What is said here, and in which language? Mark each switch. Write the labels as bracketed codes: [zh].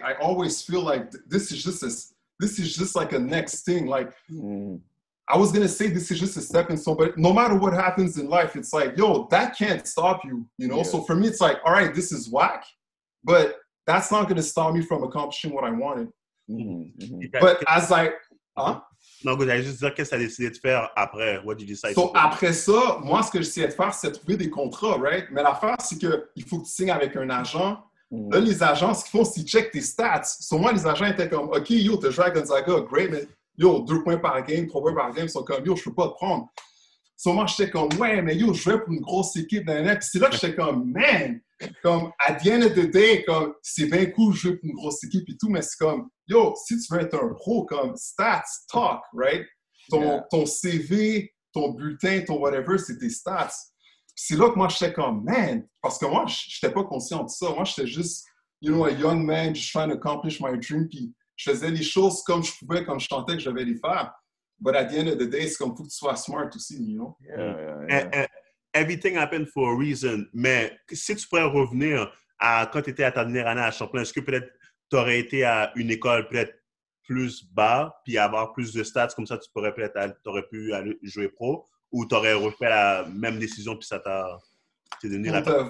[en] I always feel like this is just like a next thing. Like I was going to say, this is just a stepping stone, but no matter what happens in life, it's like, yo, that can't stop you. You know? Yeah. So for me, it's like, all right, this is whack, but that's not going to stop me from accomplishing what I wanted. Mm-hmm. But as I, [fr] Non, vous allez juste dire qu'est-ce que tu as décidé de faire après. [en] What did you decide to do? [fr] Après ça, moi, ce que j'essayais de faire, c'est de trouver des contrats, right? Mais l'affaire, c'est qu'il faut que tu signes avec un agent. Mm. Là, les agents, ce qu'ils font, c'est qu'ils checkent tes stats. Sur moi, les agents étaient comme, OK, yo, t'as joué à Gonzaga, great, mais yo, 2 points par game, 3 points par game, ils sont comme, yo, je peux pas te prendre. Sur moi, j'étais comme, ouais, mais yo, je jouais pour une grosse équipe d'un an. Puis c'est là que j'étais comme, man, comme, [en] at the end of the day, [fr] comme, c'est bien cool, jouer pour une grosse équipe et tout, mais c'est comme, yo, si tu veux être un pro, comme, stats, talk, right? Ton CV, ton bulletin, ton whatever, c'est tes stats. Puis c'est là que moi, j'étais comme, man, parce que moi, j'étais pas conscient de ça. [en] Moi, j'étais juste, you know, a young man, just trying to accomplish my dream. [fr] Puis je faisais les choses comme je pouvais, comme je sentais que j'avais les faire. [en] But at the end of the day, it's [fr] comme faut que tu sois smart aussi, [en] you know? Yeah. Everything happened for a reason. [fr] Mais si tu pourrais revenir à quand tu étais à ta dernière année à Champlain, est-ce que peut-être tu aurais été à une école peut-être plus bas puis avoir plus de stats, comme ça tu pourrais peut-être t'aurais pu aller jouer pro, ou tu aurais refait la même décision puis ça t'a devenu la